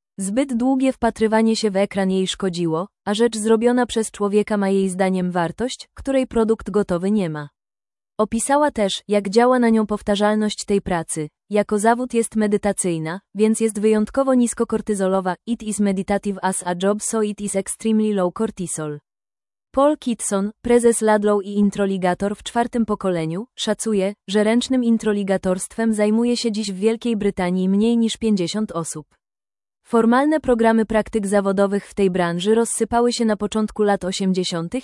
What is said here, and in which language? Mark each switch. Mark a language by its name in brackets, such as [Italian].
[Polish] Zbyt długie wpatrywanie się w ekran jej szkodziło, a rzecz zrobiona przez człowieka ma jej zdaniem wartość, której produkt gotowy nie ma. Opisała też, jak działa na nią powtarzalność tej pracy. Jako zawód jest medytacyjna, więc jest wyjątkowo niskokortyzolowa. [English] It is meditative as a job, so it is extremely low cortisol. [Polish] Paul Kitson, prezes Ludlow i introligator w czwartym pokoleniu, szacuje, że ręcznym introligatorstwem zajmuje się dziś w Wielkiej Brytanii mniej niż 50 osób. Formalne programy praktyk zawodowych w tej branży rozsypały się na początku lat 80.